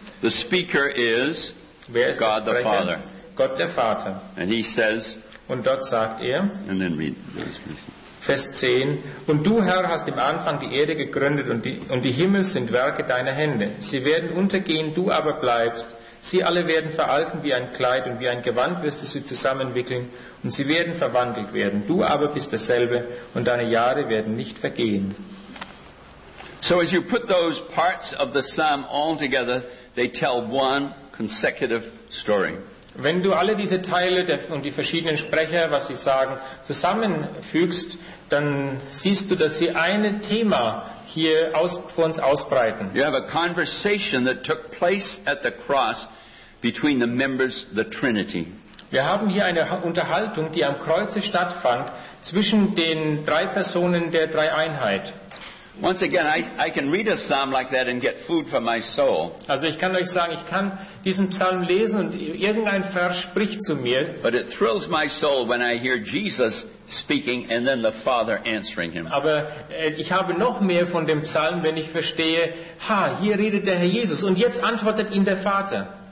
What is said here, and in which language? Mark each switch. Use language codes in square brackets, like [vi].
[en] The speaker is God the Father. [de] Gott der Vater. [en] And he says, [de] und dort sagt er, [en] and then read this. [de] Vers 10, und du, Herr, hast im Anfang die Erde gegründet und die Himmel sind Werke deiner Hände. Sie werden untergehen, du aber bleibst. Sie alle werden veralten wie ein Kleid und wie ein Gewand wirst du sie zusammenwickeln und sie werden verwandelt werden. Du aber bist dasselbe und deine Jahre werden nicht vergehen. [en] So as you put those parts of the psalm all together, they tell one consecutive story. [de] Wenn du alle diese Teile und die verschiedenen Sprecher, was sie sagen, zusammenfügst, dann siehst du, dass sie ein Thema hier vor uns ausbreiten. [en] You have a conversation that took place at the cross between the members of the Trinity. [de] Wir haben hier eine Unterhaltung, die am Kreuze stattfand, zwischen den drei Personen der Dreieinheit. [en] Once again, I can read a psalm like that and get food for my soul. [de] Also, ich kann euch sagen, ich kann diesen Psalm lesen und irgendein Vers spricht zu mir. [en] But it thrills my soul when I hear Jesus speaking and then the Father answering him. [de] Aber ich habe noch mehr von dem Psalm, wenn ich verstehe, hier redet der Herr Jesus und jetzt antwortet ihm der Vater.